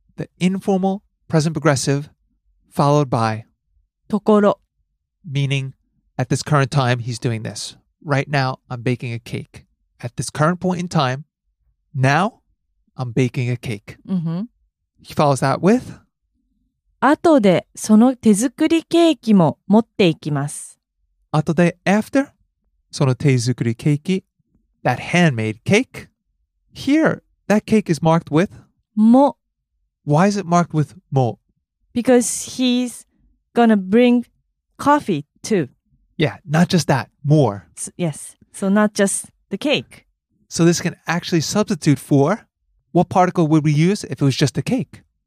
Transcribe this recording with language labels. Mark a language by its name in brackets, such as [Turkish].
[English] The informal present progressive followed by [Japanese] ところ. [English] Meaning, at this current time, he's doing this. Right now, I'm baking a cake. At this current point in time, now, I'm baking a cake. Mm-hmm. He follows that with? [Japanese] 後でその手作りケーキも持っていきます。後で [English] after [Japanese] その手作りケーキ [English] that handmade cake. Here, that cake is marked with? [Japanese] も [English] Why is it marked with も? Because he's gonna bring coffee too. Yeah, not just that, more. Yes, so not just the cake. So this can actually substitute for what particle would we use if it was just the cake?